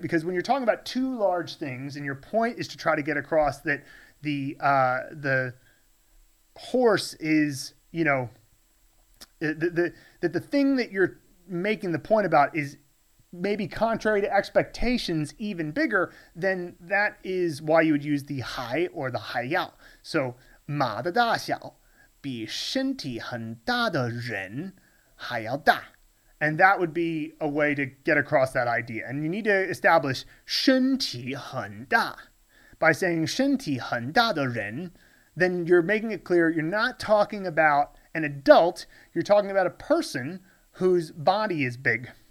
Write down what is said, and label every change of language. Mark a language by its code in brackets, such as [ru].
[en] Because when you're talking about two large things, and your point is to try to get across that the horse is, you know, the thing that you're making the point about is maybe contrary to expectations, even bigger, then that is why you would use the hai or the hai yao. [zh] So, 马的大小比身体很大的人还要大. [en] And that would be a way to get across that idea. And you need to establish [zh] 身体很大. [en] By saying [zh] 身体很大的人, [en] then you're making it clear you're not talking about an adult, you're talking about a person whose body is big.